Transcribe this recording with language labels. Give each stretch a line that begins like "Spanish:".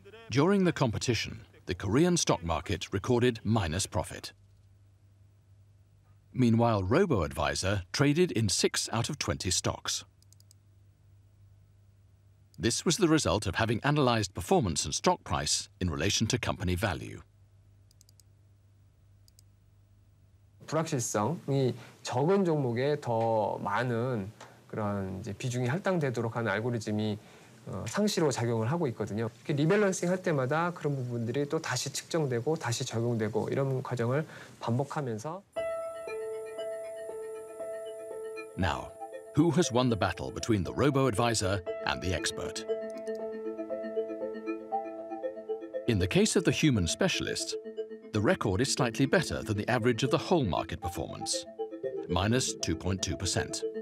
English: During the competition, the Korean stock market recorded minus profit. Meanwhile, robo-advisor traded in 6 out of 20 stocks. This was the result of having analyzed performance and stock price in relation to company value.
Korean: 불확실성이 적은 종목에 더 많은 그런 이제 비중이 할당되도록 하는 알고리즘이 상시로 작용을 하고 있거든요. 리밸런싱 할 때마다 그런 부분들이 또 다시 측정되고 다시 적용되고 이런 과정을 반복하면서
English: Now, who has won the battle between the robo-advisor and the expert? In the case of the human specialist, the record is slightly better than the average of the whole market performance, minus 2.2%.